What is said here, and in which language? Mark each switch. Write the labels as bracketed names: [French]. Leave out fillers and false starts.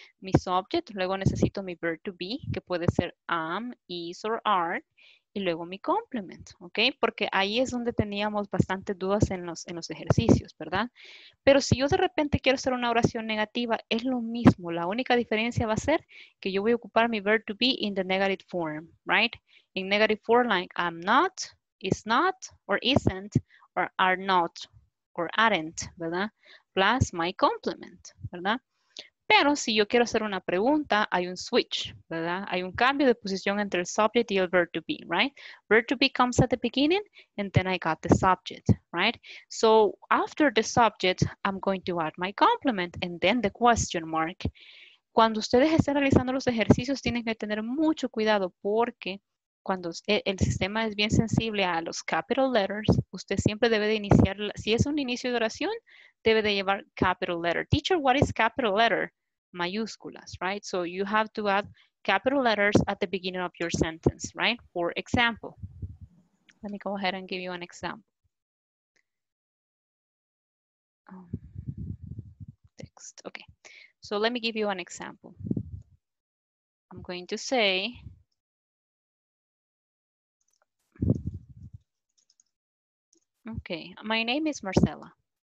[Spanish] Mi subject, luego necesito mi verb to be, que puede ser am, is, or are, y luego mi complement, ¿ok? Porque ahí es donde teníamos bastantes dudas en los ejercicios, ¿verdad? Pero si yo de repente quiero hacer una oración negativa, es lo mismo. La única diferencia va a ser que yo voy a ocupar mi verb to be [English] in the negative form, [Spanish] ¿right? [English] In negative form, like I'm not, is not, or isn't, or are not, or aren't, [Spanish] ¿verdad? [English] Plus my complement, [Spanish] ¿verdad? Pero si yo quiero hacer una pregunta, hay un switch, ¿verdad? Hay un cambio de posición entre el subject y el verb to be, [English] right? Verb to be comes at the beginning, and then I got the subject, right? So after the subject, I'm going to add my complement, and then the question mark. [Spanish] Cuando ustedes estén realizando los ejercicios, tienen que tener mucho cuidado porque cuando el sistema es bien sensible a los capital letters, usted siempre debe de iniciar, si es un inicio de oración, debe de llevar capital letter. [English] Teacher, what is capital letter? [Spanish] Mayúsculas, [English] right? So you have to add capital letters at the beginning of your sentence, right? For example, let me go ahead and give you an example. Text, okay. So let me give you an example. I'm going to say, okay, my name is Marcela.